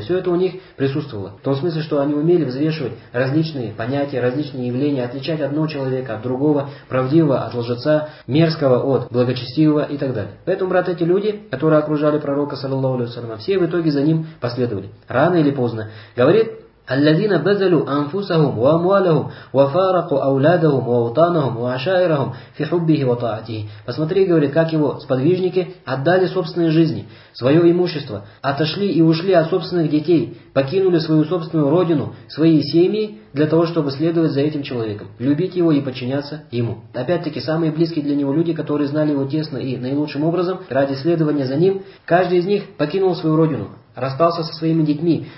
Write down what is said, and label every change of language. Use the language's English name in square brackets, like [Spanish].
[Russian] Все это у них присутствовало. В том смысле, что они умели взвешивать различные понятия, различные явления, отличать одного человека от другого, правдивого от лжеца, мерзкого от благочестивого и так далее. Поэтому, брат, эти люди, которые окружали пророка, саллаллаху алейхи ва саллям, все в итоге за ним последовали. Рано или поздно. Говорит, [Arabic] الذين بذلوا أنفسهم وأموالهم وفارقوا أولادهم ووطنهم وعشائرهم في حبه وطاعته. [Russian] Посмотри, говорит, как его сподвижники отдали собственные жизни, свое имущество, отошли и ушли от собственных детей, покинули свою собственную родину, свои семьи для того, чтобы следовать за этим человеком, любить его и подчиняться ему. Опять-таки, самые близкие для него люди, которые знали его тесно и наилучшим образом, ради следования за ним, каждый из них покинул свою родину, расстался со своими детьми.